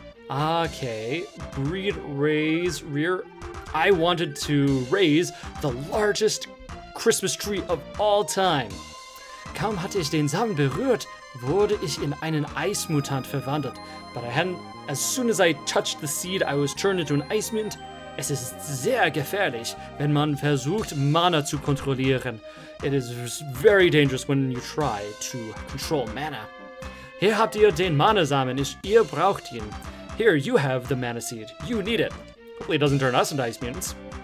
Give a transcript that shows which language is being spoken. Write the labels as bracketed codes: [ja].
[en] Okay. Breed, raise, rear. I wanted to raise the largest Christmas tree of all time. [de] Kaum hatte ich den Samen berührt, wurde ich in einen Eismutant verwandelt. [en] But I hadn't, as soon as I touched the seed, I was turned into an ice mutant. [de] Es ist sehr gefährlich, wenn man versucht, Mana zu kontrollieren. [en] It is very dangerous when you try to control Mana. [de] Hier habt ihr den Mana-Samen, ihr braucht ihn. [en] Here you have the Mana seed, you need it. Hopefully it doesn't turn us into ice mutants.